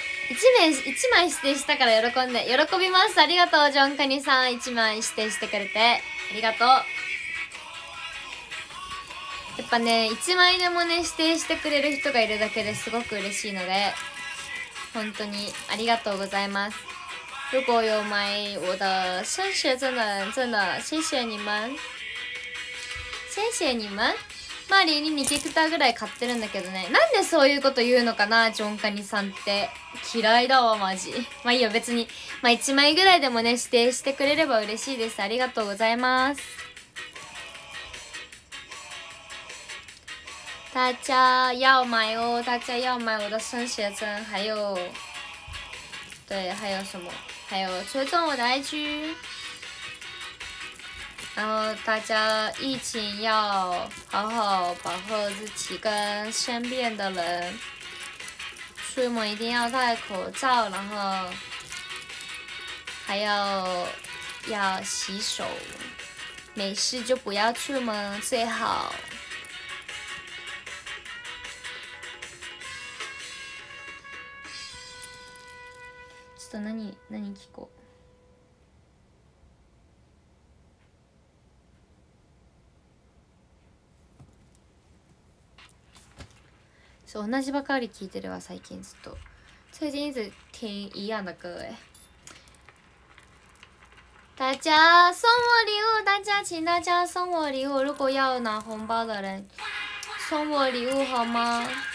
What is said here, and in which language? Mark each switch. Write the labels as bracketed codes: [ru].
[ja] 1枚指定したから喜んで喜びます。ありがとうジョンカニさん、1枚指定してくれてありがとう。やっぱね、1枚でもね指定してくれる人がいるだけですごく嬉しいので本当にありがとうございます。 [zh] 如果有买我的升学证的人真的谢谢你们，谢谢你们。 [ja] マリーに2ヘクターぐらい買ってるんだけどね。なんでそういうこと言うのかな、ジョンカニさんって。嫌いだわ、マジ。まあいいよ、別に。まあ1枚ぐらいでもね、指定してくれれば嬉しいです。ありがとうございます。 [zh] 大家要買哦、大家要買我的升学证、还有、对、还有什么、还有、追踪我的 IG。然后大家疫情要好好保护自己跟身边的人，出门一定要戴口罩，然后还要洗手，没事就不要出门最好。 [ja] ちょっと何聞こう。そう、同じばかり聞いてるわ最近ずっと。 [zh] 最近一直听一样的歌耶。大家送我礼物，大家请大家送我礼物。如果要拿红包的人，送我礼物好吗？